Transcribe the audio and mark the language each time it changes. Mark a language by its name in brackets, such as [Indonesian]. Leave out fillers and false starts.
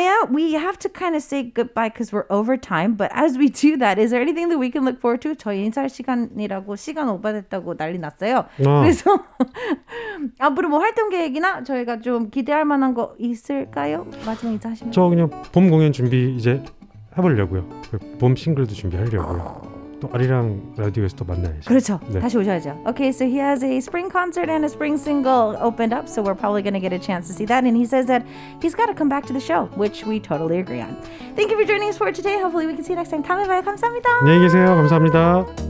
[English] We have to kind of say goodbye because we're over time. But as we do that, is there anything that we can look forward to? [Korean] 저희 인사할 시간이라고 시간 오버됐다고 난리 났어요. 그래서 앞으로 뭐 활동 계획이나 저희가 좀 기대할 만한 거 있을까요? 마지막 인사하시면. 저 그냥 봄 공연 준비 이제 해보려고요. 봄 싱글도 준비하려고요. 또 아리랑 라디오에서 또 만나야죠. 그렇죠. 네. 다시 오셔야죠. [English] Okay, so he has a spring concert and a spring single opened up, so we're probably going to get a chance to see that. And he says that he's got to come back to the show, which we totally agree on. Thank you for joining us for today. Hopefully we can see you next time. [Korean] 다음에 봐요. 감사합니다. 안녕히 계세요. 감사합니다.